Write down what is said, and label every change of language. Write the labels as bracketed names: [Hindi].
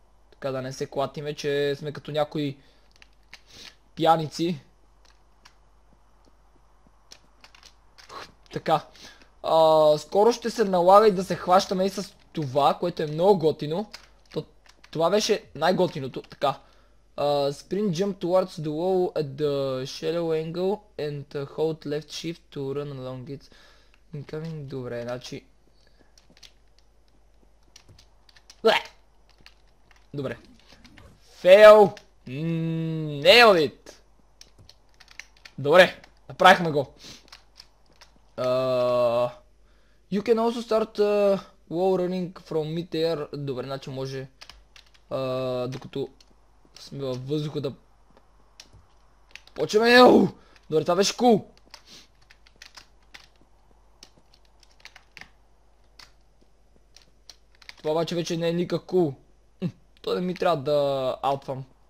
[Bulgarian] Така да не се клатиме, че сме като някои пияници. Така. Скоро ще се налага и да се хващаме и с това, което е много готино. Това беше най-готиното, така. [English] Sprint jump towards the wall at the shallow angle and hold left shift to run along it. [Bulgarian] Incoming, добре, значи... [English] Добре. Fail! Nailed it! [Bulgarian] Добре, направихме го. [English] You can also start wall running from mid-air. [Bulgarian] Добре, значи може докато сме във въздуха да... Почваме! Добре, това беше cool! Това обаче вече не е никак cool. То не ми трябва да алтвам.